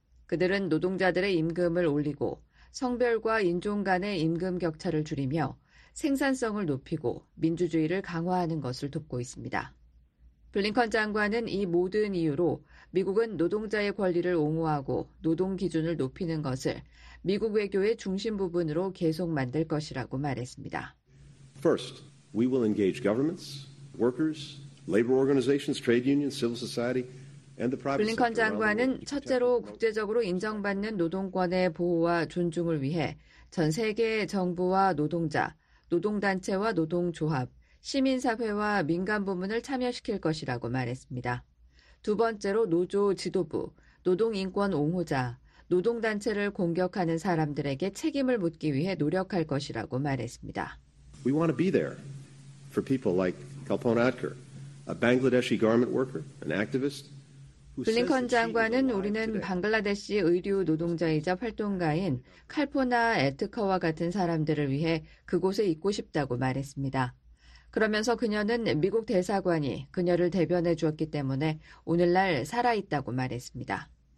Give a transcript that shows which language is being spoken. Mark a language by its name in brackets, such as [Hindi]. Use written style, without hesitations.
[Korean] 그들은 노동자들의 임금을 올리고 성별과 인종 간의 임금 격차를 줄이며 생산성을 높이고 민주주의를 강화하는 것을 돕고 있습니다. 블링컨 장관은 이 모든 이유로 미국은 노동자의 권리를 옹호하고 노동 기준을 높이는 것을 미국 외교의 중심 부분으로 계속 만들 것이라고 말했습니다. [English] First, we will engage governments, workers, labor organizations, trade unions, civil society, and the private. [Korean] 블링컨 장관은 첫째로 국제적으로 인정받는 노동권의 보호와 존중을 위해 전 세계 정부와 노동자, 노동단체와 노동조합, 시민사회와 민간 부문을 참여시킬 것이라고 말했습니다. 두 번째로 노조 지도부, 노동인권 옹호자, 노동단체를 공격하는 사람들에게 책임을 묻기 위해 노력할 것이라고 말했습니다. [English] We want to be there for people like Kalpona Atker, a Bangladeshi garment worker, an activist. [Korean] 블링컨 장관은 우리는 방글라데시 의류 노동자이자 활동가인 칼포나 애트커와 같은 사람들을 위해 그곳에 있고 싶다고 말했습니다. 그러면서 그녀는 미국 대사관이 그녀를 대변해 주었기 때문에 오늘날 살아있다고 말했습니다.